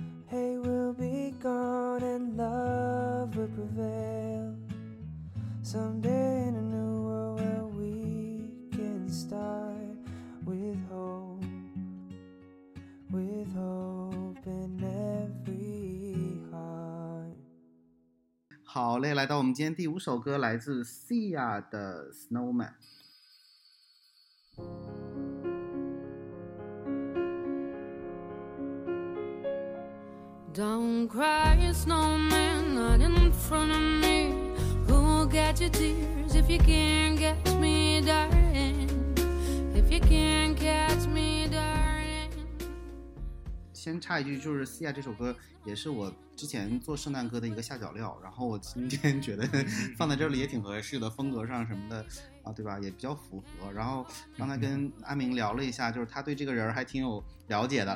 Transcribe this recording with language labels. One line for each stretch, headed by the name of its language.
English: Hate will be gone and love will prevail. Someday in a new world where we can start with hope, with hope in every heart.
Chinese: 好嘞，来到我们今天第五首歌，来自 Sia 的 Snowman。
English: Don't cry, snowman, not in front of me. Who'll get your tears if you can't catch me, darling? If you can't catch me, darling.
Chinese: 先插一句，就是《Sia》这首歌也是我之前做圣诞歌的一个下脚料，然后我今天觉得放在这里也挺合适的，风格上什么的啊，对吧？也比较符合。然后刚才跟阿明聊了一下，就是他对这个人还挺有了解的。